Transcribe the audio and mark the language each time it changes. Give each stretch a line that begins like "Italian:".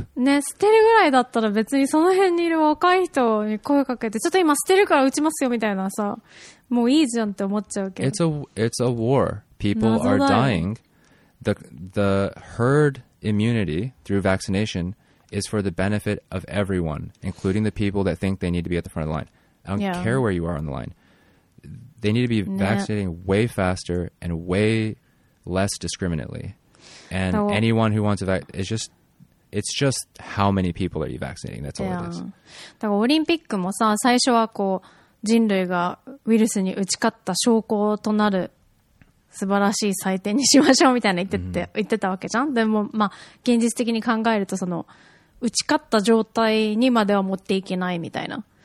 Japanese: ね、捨てるぐらいだったら別にその辺にいる若い人に声かけて、ちょっと今捨てるから打ちますよみたいなさ、もういいじゃんって思っちゃうけど。
English: It's a war. People are dying. The herd immunity through vaccination is for the benefit of everyone, including the people that think they need to be at the front of the line. I don't care where you are on the line. They need to be vaccinating way faster and way less discriminately. And anyone who wants to vaccinate, it's just how many people are you vaccinating? That's all it is.
Japanese: だからオリンピックもさ、最初はこう人類がウイルスに打ち勝った証拠となる素晴らしい祭典にしましょうみたいな言ってたわけじゃん。でもまあ現実的に考えると、その打ち勝った状態にまでは持っていけないみたいな。